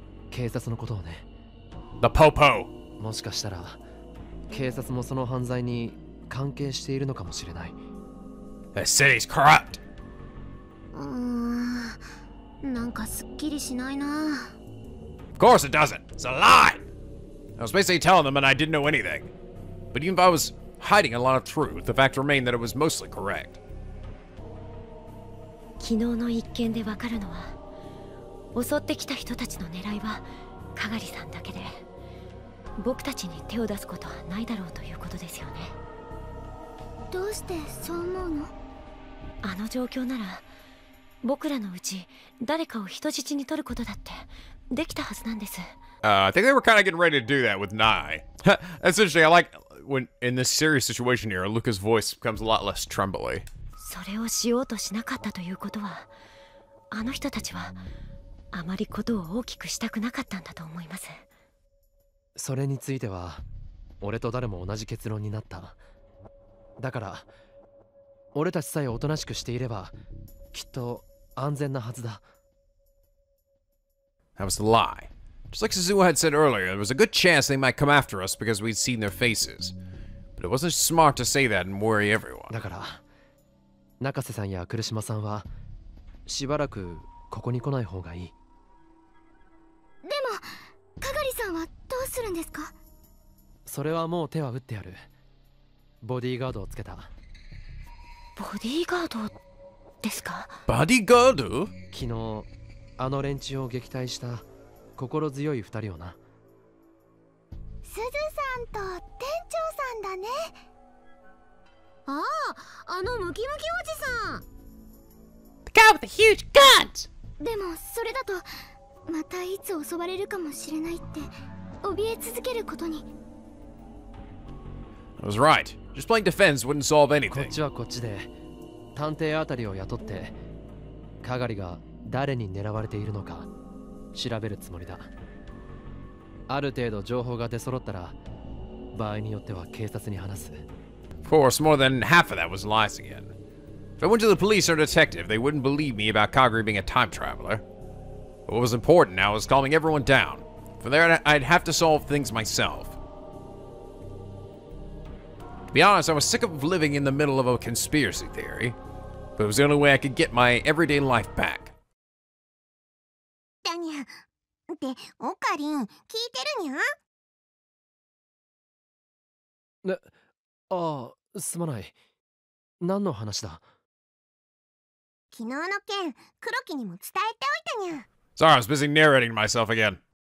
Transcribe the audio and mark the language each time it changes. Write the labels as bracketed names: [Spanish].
[Japanese] 警察のことをね。 [English] The Popo! [Japanese] もしかしたら、警察もその犯罪に関係しているのかもしれない。 [English] The city's corrupt! [Japanese] なんかすっきりしないな。 [English] Of course it doesn't! It's a lie! I was basically telling them and I didn't know anything. But even if I was hiding a lot of truth, the fact remained that it was mostly correct. [Japanese] 昨日の一件でわかるのは、襲ってきた人たちの狙いは、かがりさんだけで、僕たちに手を出すことはないだろうということですよね。どうしてそう思うの？あの状況なら、僕らのうち誰かを人質に取ることだってできたはずなんです。 [English] I think they were kind of getting ready to do that with Nai. That's interesting. I like when in this serious situation here, Luca's voice becomes a lot less trembly. [Japanese] それをしようとしなかったということは、あの人たちはあまりことを大きくしたくなかったんだと思います。それについては、俺と誰も同じ結論になった。だから、俺たちさえおとなしくしていれば、きっと安全なはずだ。 [English] That was a lie. Just like Suzuha had said earlier, there was a good chance they might come after us because we'd seen their faces. But it wasn't smart to say that and worry everyone. [Japanese] だから、中瀬さんや来島さんは、しばらくここに来ない方がいい。でも、かがりさんはどうするんですか？それはもう手は打ってやる。ボディーガードをつけた。ボディーガードですか？バディーガード？昨日、あの連中を撃退した心強い二人をな。すずさんと店長さんだね。ああ、あのムキムキおじさん。 The guy with the huge guns! でも、それだと、またいつ襲われるかもしれないって、怯え続けることに。 [English] I was right. Just playing defense wouldn't solve anything. [Japanese] こっちはこっちで、探偵あたりを雇って、かがりが誰に狙われているのか、調べるつもりだ。ある程度情報が出揃ったら、場合によっては警察に話す。 [English] Of course, more than half of that was lies again. If I went to the police or detective, they wouldn't believe me about Kagari being a time traveler. But what was important now was calming everyone down. From there, I'd have to solve things myself. To be honest, I was sick of living in the middle of a conspiracy theory. But it was the only way I could get my everyday life back. Daniel, [Japanese] って、オカリン、聞いてるにゃ？ね、ああ、すまない。何の話だ？昨日の件、黒木にも伝えておいたにゃ。 [English] Sorry, I was busy narrating myself again.